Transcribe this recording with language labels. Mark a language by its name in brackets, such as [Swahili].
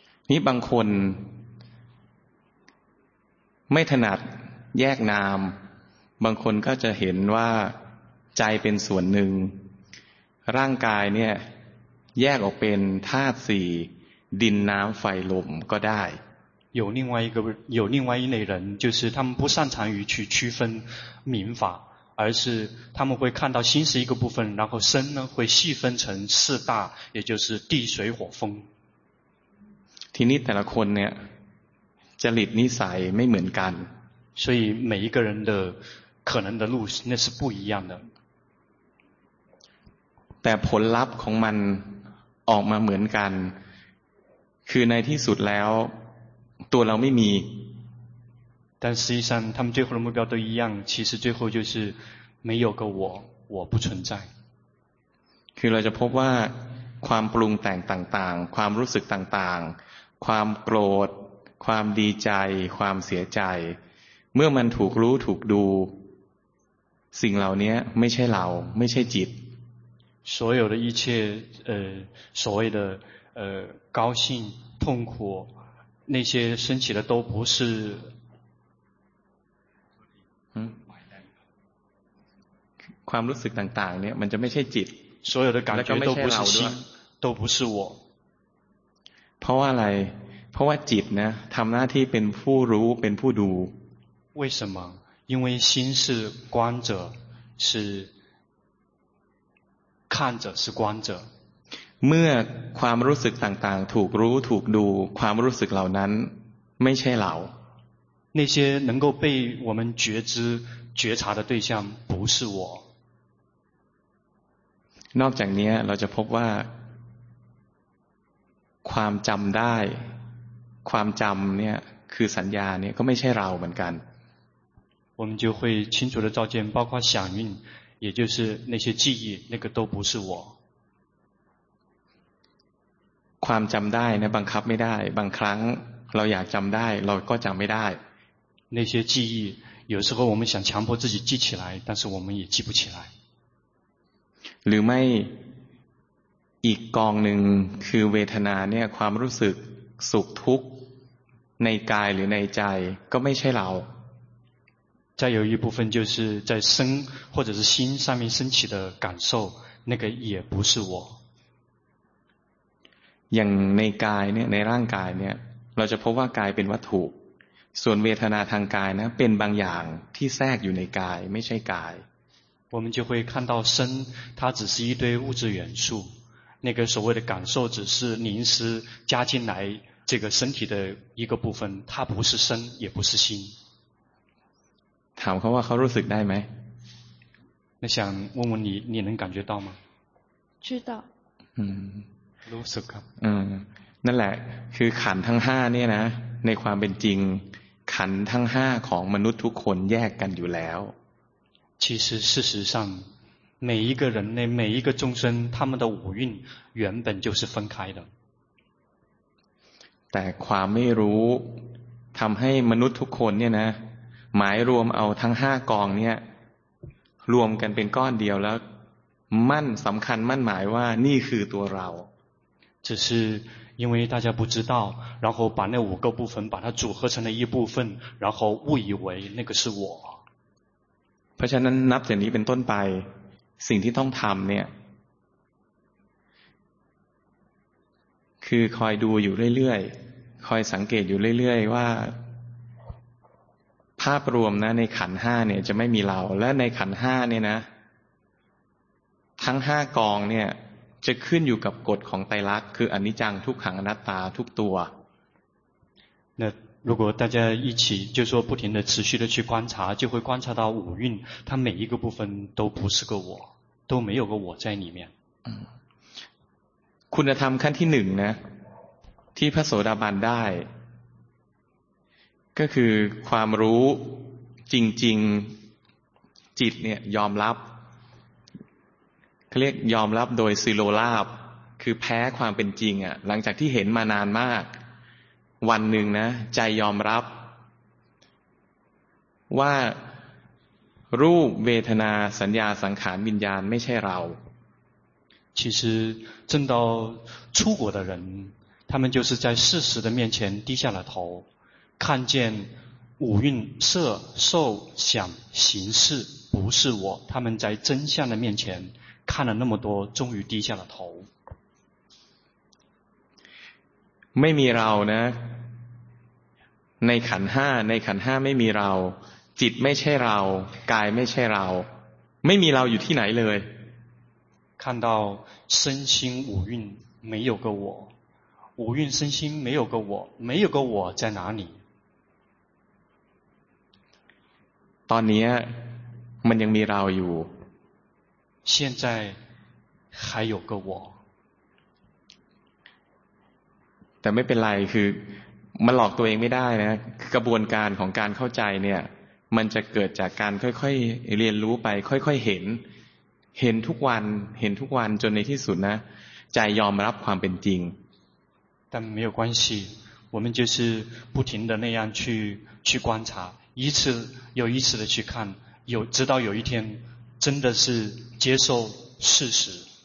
[Thai] นี่บางคนไม่ถนัดแยกนามบางคนก็จะเห็นว่าใจเป็นส่วนหนึ่งร่างกายเนี่ยแยกออกเป็นธาตุสี่ดินน้ำไฟลมก็ได้ [Chinese] 有另外一类人，就是他们不擅长于去区分民法，而是他们会看到心是一个部分，然后身呢会细分成四大，也就是地水火风。 [Thai] ทีนี้แต่ละคนเนี่ยจริตนิสัยไม่เหมือนกัน， [Chinese] 所以每一个人的可能的路那是不一样的。 [Thai] แต่ผลลัพธ์ของมันออกมาเหมือนกันคือในที่สุดแล้วตัวเราไม่มี [Chinese] 但实际上他们最后的目标都一样其实最后就是没有个我不存在 [Thai] คือเราจะพบว่าความปรุงแต่งต่างๆความรู้สึกต่างๆความโกรธความดีใจความเสียใจเมื่อมันถูกรู้ถูกดูสิ่งเหล่านี้ไม่ใช่เราไม่ใช่จิต [Chinese] 所有的一切所谓的高兴痛苦那些升起的都不是 [Thai] ความรู้สึกต่างๆเนี่ยมันจะไม่ใช่จิต [Chinese] 所有的感觉都不是心都不是我 [Thai] เพราะว่าอะไรเพราะว่าจิตนะทำหน้าที่เป็นผู้รู้เป็นผู้ดู [Chinese] 为什么因为心是观者是看者是观者 [Thai] เมื่อความรู้สึกต่างๆถูกรู้ถูกดูความรู้สึกเหล่านั้นไม่ใช่เรา [Chinese] 那些能够被我们觉知觉察的对象不是我 [Thai] นอกจากนี้เราจะพบว่าความจำได้ความจำเนี่ยคือสัญญาเนี่ยก็ไม่ใช่เราเหมือนกัน [Chinese] 我们就会清楚的照见包括响应也就是那些记忆那个都不是我 [Thai] ความจำได้เนี่ยบังคับไม่ได้บางครั้งเราอยากจำได้เราก็จำไม่ได้ [Chinese] 那些记忆有时候我们想强迫自己记起来但是我们也记不起来 [Thai] หรือไม่อีกกองหนึ่งคือเวทนาเนี่ยความรู้สึกสุขทุกข์ในกายหรือในใจก็ไม่ใช่เรา [Chinese] 再有一部分就是在身或者是心上面升起的感受那个也不是我 [Thai] อย่างในกายเนี่ยในร่างกายเนี่ยเราจะพบว่ากายเป็นวัตถุส่วนเวทนาทางกายนะเป็นบางอย่างที่แทรกอยู่ในกายไม่ใช่กาย [Chinese] 我们就会看到身它只是一堆物质元素那个所谓的感受只是临时加进来这个身体的一个部分它不是身也不是心 [Thai] ถามเขาว่าเขารู้สึกได้ไหม [Chinese] 那想问问你能感觉到吗知道嗯 [Thai] รู้สึกครับ นั่นแหละคือขันธ์ทั้ง5เนี่ยนะในความเป็นจริงขันธ์ทั้ง5ของมนุษย์ทุกคนแยกกันอยู่แล้ว [Chinese] 其实事实上每一个人类每一个众生他们的五蕴原本就是分开的 [Thai] แต่ความไม่รู้ทำให้มนุษย์ทุกคนเนี่ยนะหมายรวมเอาทั้ง5กองเนี่ยรวมกันเป็นก้อนเดียวแล้วมั่นสำคัญมั่นหมายว่านี่คือตัวเรา [Chinese] 只是因为大家不知道然后把那五个部分把它组合成了一部分然后误以为那个是我 [Thai] เพราะฉะนั้นนับจากนี้เป็นต้นไปสิ่งที่ต้องทำเนี่ยคือคอยดูอยู่เรื่อยๆคอยสังเกตอยู่เรื่อยๆว่าภาพรวมนะในขันห้าเนี่ยจะไม่มีเราและในขันห้าเนี่ยนะทั้งห้ากองเนี่ยจะขึ้นอยู่กับกฎของไตรลักษณ์คืออนิจจังทุกขังอนัตตาทุกตัว [Chinese] 那如果大家一起就说不停的持续的去观察就会观察到五蕴它每一个部分都不是个我都没有个我在里面 [Thai] คุณธรรมขั้นที่หนึ่งนะที่พระโสดาบันได้ก็คือความรู้จริงๆจิตเนี่ยยอมรับเขาเรียกยอมรับโดยซิโลราบคือแพ้ความเป็นจริงอ่ะหลังจากที่เห็นมานานมากวันหนึ่งนะใจยอมรับว่ารูปเวทนาสัญญาสังขารวิญญาณไม่ใช่เรา [Chinese] 其实正到出国的人他们就是在事实的面前低下了头看见五蕴色受想行识不是我他们在真相的面前看了那么多终于低下了头 [Thai] ไม่มีเรานะในขันห้าในขันห้าไม่มีเราจิตไม่ใช่เรากายไม่ใช่เราไม่มีเราอยู่ที่ไหนเลย [Chinese] 看到身心五蕴没有个我五蕴身心没有个我没有个我在哪里 [Thai] ตอนนี้มันยังมีเราอยู่ [Chinese] 现在还有个我 [Thai] แต่ไม่เป็นไรคือมันหลอกตัวเองไม่ได้นะกระบวนการของการเข้าใจเนี่ยมันจะเกิดจากการค่อยๆเรียนรู้ไปค่อยๆเห็นทุกวันเห็นทุกวันจนในที่สุดนะใจยอมรับความเป็นจริง [Chinese] 但没有关系我们就是不停的那样去观察一次又一次的去看有直到有一天真的是接受事实。